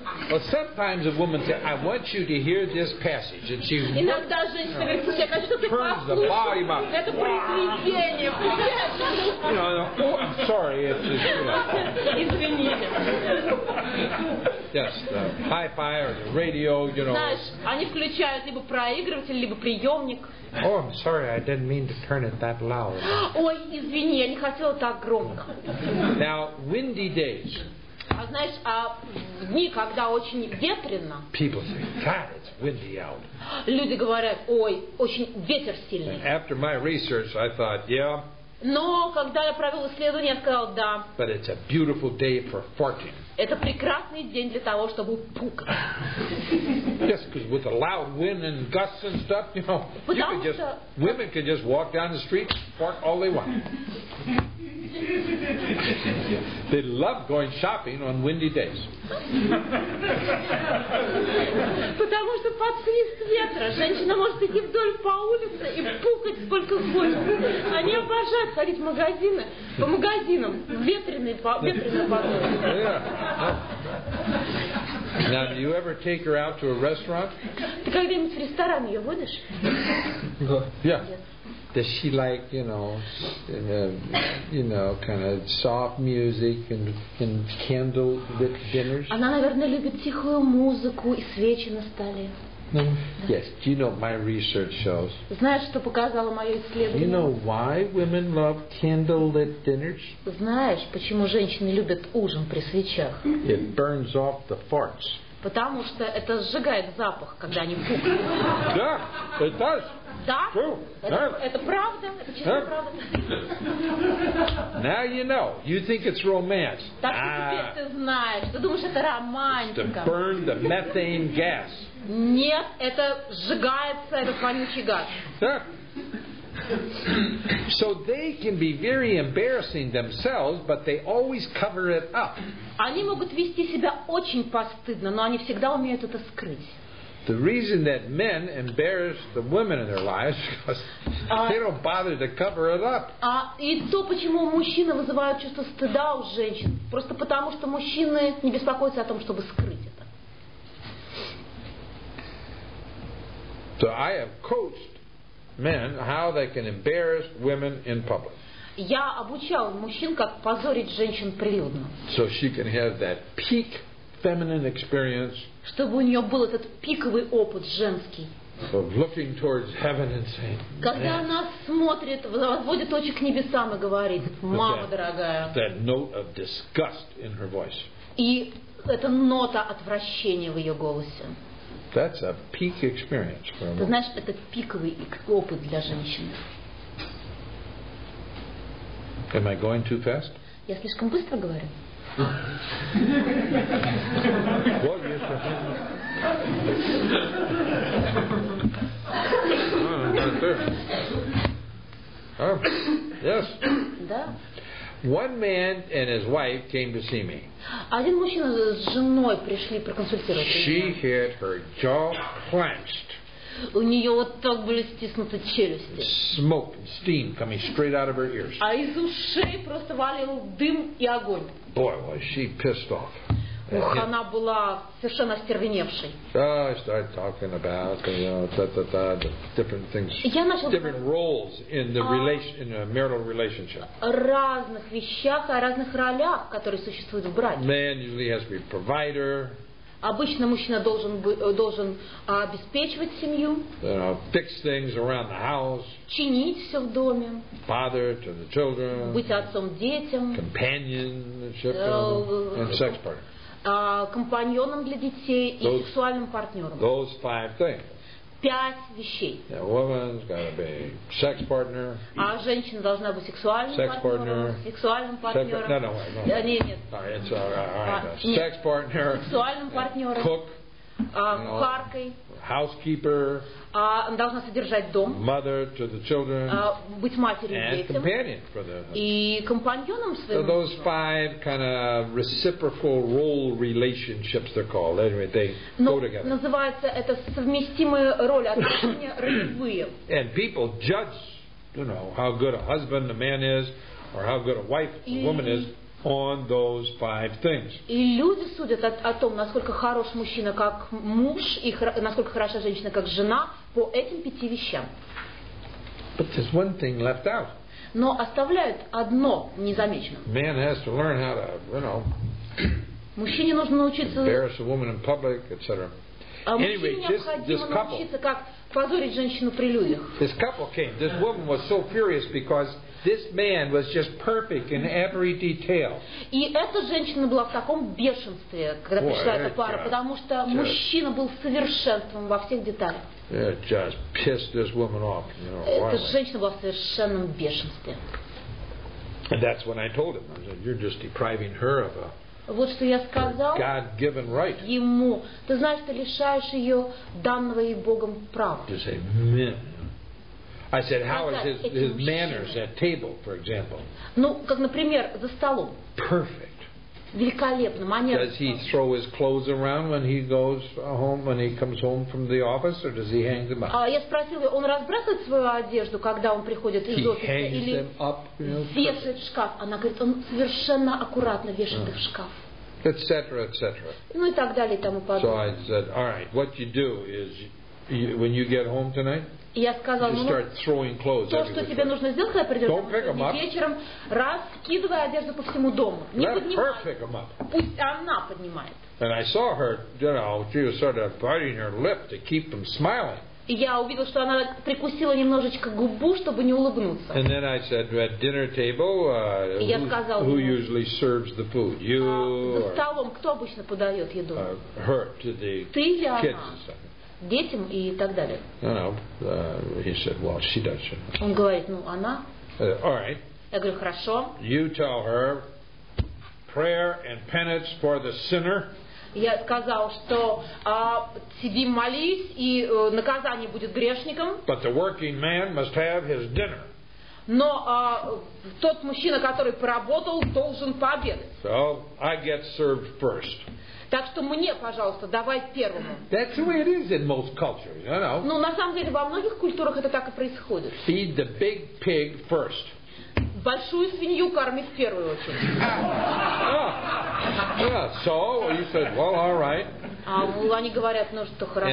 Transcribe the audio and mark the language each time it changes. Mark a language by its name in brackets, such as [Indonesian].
[English] Well, sometimes a woman says, "I want you to hear this passage," and she turns the volume up. [Russian] Это произведение. [English] Oh, I'm sorry. It's [Russian] извини. [English] Yes, the hi-fi or the radio, you know. [Russian] Знаешь, они включают либо проигрыватель, либо приемник. [English] Oh, I'm sorry, I didn't mean to turn it that loud. [Russian] Ой, извини, я не хотела так громко. [English] Now, windy days. [Russian] А знаешь, а в дни, когда очень ветрено, [English] people say, God, it's windy out. [Russian] Люди говорят, ой, очень ветер сильный. [English] And after my research, I thought, yeah. [Russian] Но когда я провел исследование, я сказал да. [English] But it's a beautiful day for farting. [Russian] Это прекрасный день для того, чтобы пукать. [English] Yes, because with the loud wind and gusts and stuff, you know, women can just walk down the street, fart all they want. They love going shopping on windy days. [Russian] Потому что под свист ветра женщина может идти вдоль по улице и пукать сколько хочет. Они обожают ходить в магазины по магазинам ветреные [English] Now, do you ever take her out to a restaurant? [Russian] Ты когда-нибудь в ресторан ее водишь? [English] Yeah. Does she like, kind of soft music and candle lit dinners? [Russian] Она, наверное, любит тихую музыку и свечи на столе. [English] Yes, do you know my research shows? [Russian] Знаешь, что показало мое исследование? [English] Do you know why women love candle lit dinners? [Russian] Знаешь, почему женщины любят ужин при свечах? [English] It burns off the farts. [Russian] Потому что это сжигает запах, когда они пукают. Да, [English] yeah, it does. [Russian] Да? [English] True. [Russian] Это правда, это чистая правда. [English] Now you know. You think it's romance. [Russian] Так что теперь ты знаешь. Ты думаешь, это романтика. [English] To burn the methane gas. [Russian] Нет, это сжигается, это вонючий газ. [English] Yeah. So they can be very embarrassing themselves, but they always cover it up. [Russian] Они могут вести себя очень постыдно, но они всегда умеют это скрыть. [English] The reason that men embarrass the women in their lives is because they don't bother to cover it up. [Russian] И то, почему мужчины вызывают чувство стыда у женщин, просто потому что мужчины не беспокоятся о том, чтобы скрыть это. [English] So I have coached men how they can embarrass women in public. [Russian] Я обучал мужчин, как позорить женщин прилюдно. [English] So she can have that peak feminine experience. [Russian] Чтобы у нее был этот пиковый опыт женский. [English] Of looking towards heaven and saying. [Russian] Когда она смотрит, возводит очи к небесам и говорит: "Мама дорогая". [English] That note of disgust in her voice. [Russian] И эта нота отвращения в ее голосе. [English] That's a peak experience for a woman. [Russian] Знаешь, это пиковый опыт для женщины. [English] Am I going too fast? [Russian] Я слишком быстро говорю. [English] Well, yes, yes. [Russian] Да. [English] One man and his wife came to see me. [Russian] Один мужчина с женой пришли проконсультироваться. [English] She had her jaw clenched. [Russian] У нее вот так были стиснуты челюсти. [English] Smoke and steam coming straight out of her ears. [Russian] А из ушей просто валил дым и огонь. [English] Boy, was she pissed off. [Russian] Ух, она была совершенно остервеневшей. [English] I started talking about the different things, different roles in the in a marital relationship. [Russian] Разных вещах, о разных ролях, которые существуют в браке. [English] Man usually has to be provider. [Russian] Обычно мужчина должен обеспечивать семью. [English] Fix things around the house. [Russian] Чинить все в доме. [English] Father to the children. [Russian] Быть отцом детям. [English] Companionship and sex partner. [Russian] Компаньоном для детей и [English] those, [Russian] сексуальным партнером. [English] Those five things. [Russian] Пять вещей. [English] A woman's got to be sex partner. [Russian] А женщина должна быть сексуальным [English] sex [Russian] партнером. Сексуальным партнером. [English] Sex partner. [Russian] Сексуальным партнером. [English] Cook. [Russian] Кухаркой. [English] Housekeeper. [Russian] Должна содержать дом. [English] Mother to the children. [Russian] Быть матерью [English] and [Russian] детям. [English] Companion for the husband. [Russian] И компаньоном своим. [English] So those five kind of reciprocal role relationships they're called. Anyway, they go together. [Russian] Называется это совместимые роли, отношения ролевые. [English] And people judge, you know, how good a husband a man is, or how good a wife a woman is. On those five things. [Russian] И люди судят о том, насколько хорош мужчина как муж и насколько хороша женщина как жена по этим пяти вещам. [English] But there's one thing left out. [Russian] Но оставляют одно незамеченным. [English] Man has to learn how to, you know. [Russian] Мужчине нужно научиться. [English] Embarrass a woman in public, etc. Anyway, this couple. [Russian] Научиться как позорить женщину при людях. [English] This couple came. This woman was so furious because. This man was just perfect in every detail. [Russian] И эта женщина была в таком бешенстве, когда пришла эта пара, потому что мужчина был совершенством во всех деталях. [English] It just pissed this woman off, you know. [Russian] Эта женщина была в совершенном бешенстве. [English] And that's when I told him, I said, "You're just depriving her of a." [Russian] Вот что я сказал [English] God-given right. [Russian] Ему. Ты знаешь, ты лишаешь ее данного ей Богом права. [English] You say, "Men." I said, how is his manners at table, for example? [Russian] Ну, как, например, за столом. [English] Perfect. [Russian] Великолепно, манерно. [English] Does he throw his clothes around when he goes home, when he comes home from the office, or does he hang them up? [Russian] Я спросил ее, он разбрасывает свою одежду, когда он приходит из офиса, или [English] hangs them up, you know, [Russian] вешает в шкаф? Она говорит, он совершенно аккуратно вешает их в шкаф. [English] Etc. Etc. [Russian] Ну и так далее, и тому подобное. [English] So I said, all right, what you do is when you get home tonight. [Russian] Я сказал, [English] you start throwing clothes [Russian] то, что тебе [English] place. [Russian] Нужно сделать, когда придешь вечером, раз, скидывай одежду по всему дому. Не [English] let [Russian] поднимай. [English] Her pick them up. [Russian] Пусть она поднимает. [English] And I saw her, you know, she was sort of biting her lip to keep them smiling. [Russian] И я увидел, что она прикусила немножечко губу, чтобы не улыбнуться. [English] And then I said, at dinner table, who usually serves the food? You [Russian] за столом кто обычно подает еду? [English] Her to the [Russian] ты или [English] kids [Russian] она? Детям и так далее. [English] He said, well, she does. [Russian] Он говорит, ну, она. [English] All right. [Russian] Я говорю, хорошо. [English] You tell her prayer and penance for the sinner. [Russian] Я сказал, что сиди, молись, и наказание будет грешником. [English] But the working man must have his dinner. [Russian] Но тот мужчина, который поработал, должен пообедать. [English] So I get served first. [Russian] Так что мне, пожалуйста, давай первому. [English] That's the way it is in most cultures, you know. [Russian] Ну, на самом деле, во многих культурах это так и происходит. [English] Feed the big pig first. [Russian] Большую свинью кормить в первую очередь. [English] Yeah, so you said, well, all right. [Russian] Они говорят, ну что, хорошо.